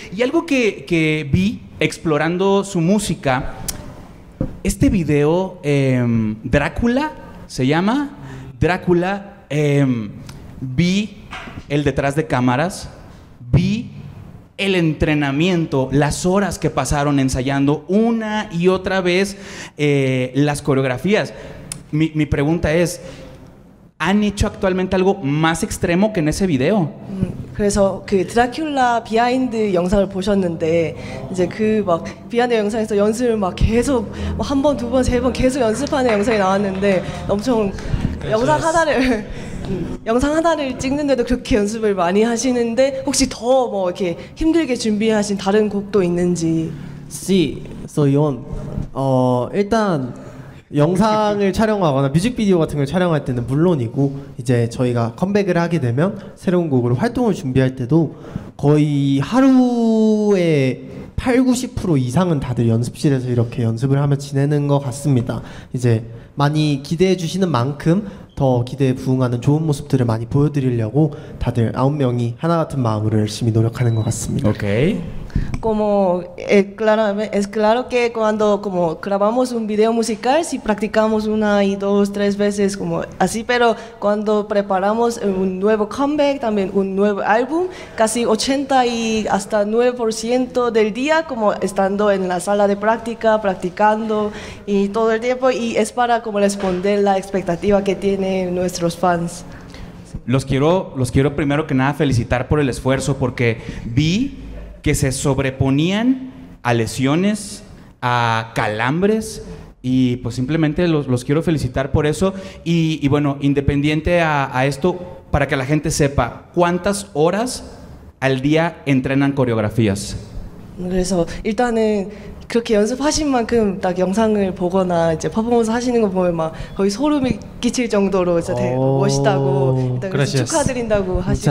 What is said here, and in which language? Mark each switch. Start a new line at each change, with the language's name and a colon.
Spanish: Y algo que vi explorando su música, este video, Drácula, se llama Drácula, vi el detrás de cámaras, vi el entrenamiento, las horas que pasaron ensayando una y otra vez las coreografías. Mi pregunta es, ¿Han hecho actualmente algo más extremo que en ese video?
Korean: 그래서 그 드라큘라 비하인드 영상을 보셨는데 이제 그 막 비하인드 영상에서 연습을 막 계속 막 한 번 두 번 세 번 계속 연습하는 영상이 나왔는데 엄청 그렇죠. 영상 하나를 영상 하나를 찍는데도 그렇게 연습을 많이 하시는데 혹시 더 뭐 이렇게 힘들게 준비하신 다른 곡도 있는지?
Spanish: Sí, soy on.
Korean: 일단 영상을 촬영하거나 뮤직비디오 같은 걸 촬영할 때는 물론이고 이제 저희가 컴백을 하게 되면 새로운 곡으로 활동을 준비할 때도 거의 하루에 8, 90% 이상은 다들 연습실에서 이렇게 연습을 하며 지내는 것 같습니다. 이제 많이 기대해 주시는 만큼 더 기대에 부응하는 좋은 모습들을 많이 보여드리려고 다들 아홉 명이 하나같은 마음으로 열심히 노력하는 것 같습니다.
English: 오케이.
Spanish: Como es claro que cuando como grabamos un video musical si practicamos una y dos tres veces como así pero cuando preparamos un nuevo comeback también un nuevo álbum casi 80% y hasta 9% del día como estando en la sala de práctica practicando y todo el tiempo y es para como responder la expectativa que tienen nuestros fans. Los quiero primero que nada felicitar por el esfuerzo porque vi que se sobreponían a lesiones, a calambres, y pues simplemente los quiero felicitar por eso. Y bueno, independiente a esto, para que la gente sepa, ¿cuántas horas al día entrenan coreografías?
Korean: 그래서 일단은 그렇게 연습하신 만큼 딱 영상을 보거나 이제 퍼포먼스 하시는 거 보면 막 거의 소름이 끼칠 정도로 이제 되게 멋있다고 일단 축하드린다고 하시고